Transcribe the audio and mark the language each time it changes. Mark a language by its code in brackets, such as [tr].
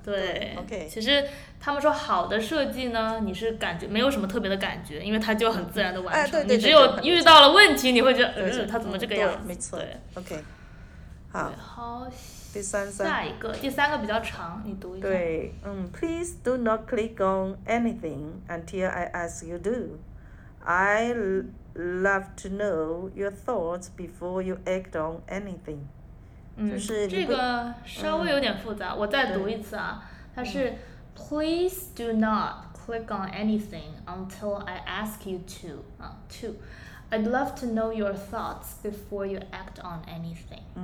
[zh] 对，OK。其实他们说好的设计呢，你是感觉没有什么特别的感觉，因为它就很自然的完成。哎，对对，你只有遇到了问题，你会觉得它怎么这个样子？没错 ，OK。好。第三个，第三个比较长，你读一下。对， [en] Please do not click on anything until I ask you to. I love to know your thoughts before you act on anything. [zh] 就是这个稍微有点复杂，我再读一次啊。它是 [en] Please do not click on anything until I ask you to. I'd love to know your thoughts before you act on anything.